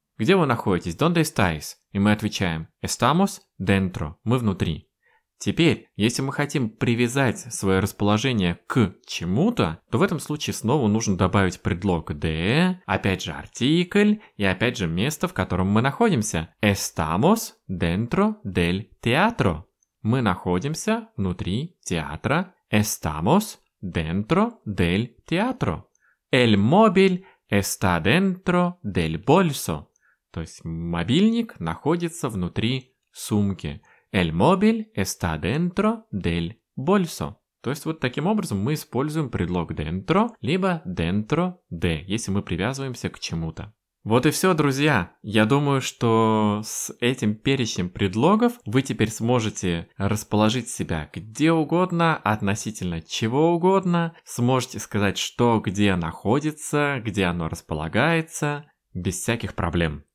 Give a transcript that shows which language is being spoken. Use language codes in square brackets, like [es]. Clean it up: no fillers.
[ru] «Где вы находитесь?» [es] «Donde estáis?» [ru] И мы отвечаем [es] «Estamos dentro». [ru] «Мы внутри». Теперь, если мы хотим привязать свое расположение к чему-то, то в этом случае снова нужно добавить предлог «de», опять же артикль и опять же место, в котором мы находимся. [es] «Estamos dentro del teatro». [ru] Мы находимся внутри театра. [es] «Estamos dentro del teatro». «El móvil está dentro del bolso». [ru] То есть мобильник находится внутри сумки. [es] El móvil está dentro del bolso. [ru] То есть вот таким образом мы используем предлог dentro, либо dentro de, если мы привязываемся к чему-то. Вот и все, друзья. Я думаю, что с этим перечнем предлогов вы теперь сможете расположить себя где угодно, относительно чего угодно, сможете сказать, что где находится, где оно располагается, без всяких проблем.